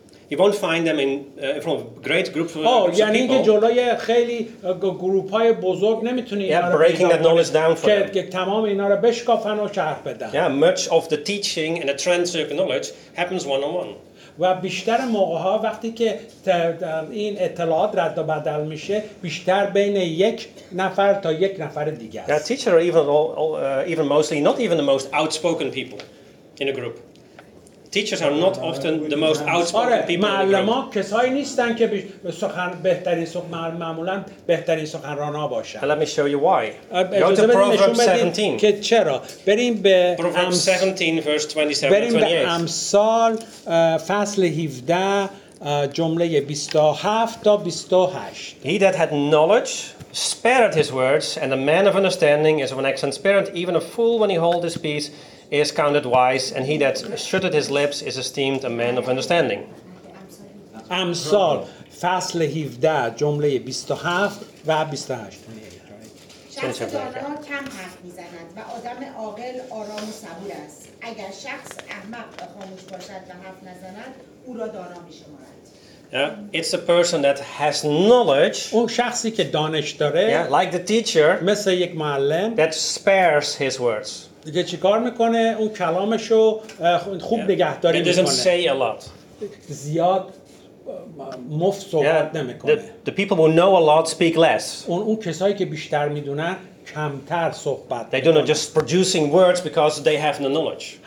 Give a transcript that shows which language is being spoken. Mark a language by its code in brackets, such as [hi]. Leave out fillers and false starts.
[en] You won't find them in from great groups of people. [fa] Oh, یعنی که جلوی خیلی گروه‌های بزرگ نمیتونی اینا رو [en] breaking that knowledge down for them. [fa] که تمام اینا رو بشکافن و شرح بدن. [en] Yeah, much of the teaching and the transfer of knowledge happens one on one. [fa] و بیشتر موقع‌ها وقتی که این اطلاعات رد و بدل میشه بیشتر بین یک نفر تا یک نفر دیگه است. [en] Yeah, teachers are even mostly not even the most outspoken people in a group. Teachers are not often the most outspoken people. [fa] معلم‌ها کسایی نیستن که سخن بهترین سخن معمولاً بهترین سخنران باشن. [en] Let me show you why. Go to Proverbs 17. [fa] که چرا؟ بریم به [en] Proverbs 17 verse 27 to 28. [fa] بریم به امثال فصل 17 جمله 27 تا 28. [en] He that had knowledge spared his words, and a man of understanding is of an excellent spirit. Even a fool when he holds his peace is counted wise, and he that shutteth his lips is esteemed a man of understanding. [fa] امثال فصل 17 جمله 27 و 28. شخص دانا کم حرف میزند و آدم عاقل آرام و صبور است. اگر شخص احمق و خاموش باشد و حرف نزند او را دانا میشمارد. [en] Yeah, it's a person that has knowledge. [fa] اون شخصی که دانش داره. [en] Yeah, like the teacher. [fa] مثل یک معلم. [en] That spares his words. [fa] دیگه چی کار میکنه؟ اون کلامشو خوب نگهداری میکنه. [en] It doesn't say a lot. [fa] زیاد مفت صحبت نمیکنه. [en] The people who know a lot speak less. [fa] اون کسایی که بیشتر میدونن کمتر صحبت. [en] They don't just producing words because they have no knowledge.